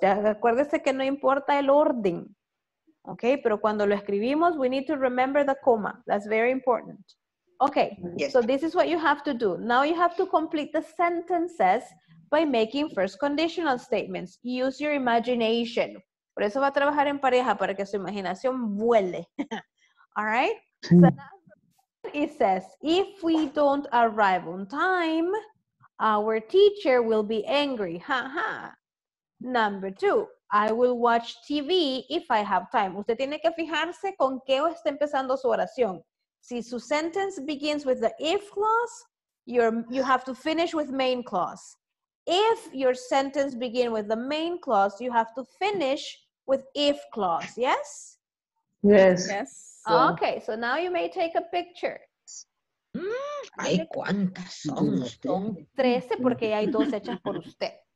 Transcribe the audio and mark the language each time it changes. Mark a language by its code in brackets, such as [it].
[es] Ya, acuérdese que no importa el orden, okay? Pero cuando lo escribimos, [en] we need to remember the comma. That's very important. Okay, yes. So this is what you have to do. Now you have to complete the sentences by making first conditional statements. Use your imagination. [es] Por eso va a trabajar en pareja, para que su imaginación vuele. [en] All right? [es] Sí. [en] So it says, if we don't arrive on time, our teacher will be angry. Ha, ha. Number two, I will watch TV if I have time. [es] Usted tiene que fijarse con qué está empezando su oración. Si su [en] sentence begins with the if clause, you have to finish with main clause. If your sentence begins with the main clause, you have to finish with if clause, yes? Yes. Yes. So. Okay, so now you may take a picture. [es] Ay, ¿cuántas son? Son 13 porque ya hay dos hechas por usted.